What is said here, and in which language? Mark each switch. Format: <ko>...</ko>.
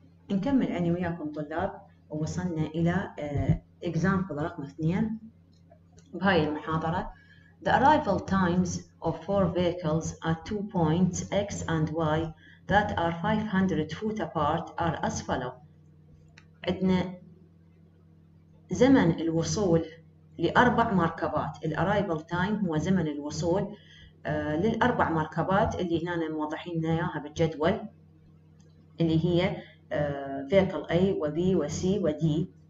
<ar>نكمل أنا وياكم طلاب، ووصلنا إلى example رقم 2 بهاي المحاضرة.</ar> <en>The arrival times of four vehicles at two points X and Y that are 500 foot apart are as follow.</en> <ar>عندنا زمن الوصول لأربع مركبات، الأرايفل تايم هو زمن الوصول للأربع مركبات اللي هنا موضحين لنا إياها بالجدول، اللي هي vehicle A و B و C و D.</ar>